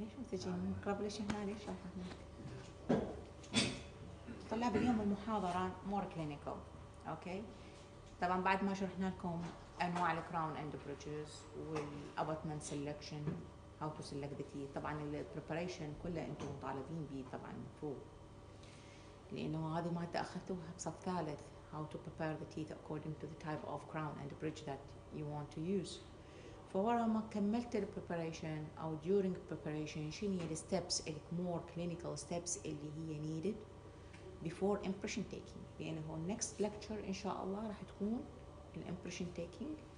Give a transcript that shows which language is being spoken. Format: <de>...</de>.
<ar>تجي نقرب ليش هنا ليش راح هناك. طلاب اليوم المحاضرة</ar> <en>More clinical okay.</en> <ar>طبعا بعد ما شرحنا لكم انواع</ar> <en>الكراون and bridges والابوتمنت selection how to select the تي،</en> <ar>طبعا البريبريشن كله انتم مطالبين به طبعا المفروض، لانه هذه ما تاخذتوها بصف ثالث.</ar> <en>How to prepare the teeth according to the type of crown and bridge that you want to use. For a completed preparation or during preparation, she need steps, like more clinical steps,</en> <ar>اللي هي</ar> <en>needed before impression taking.</en> <ar>لأنه</ar> <en>next lecture</en> <ar>إن شاء الله راح تكون impression taking.</ar>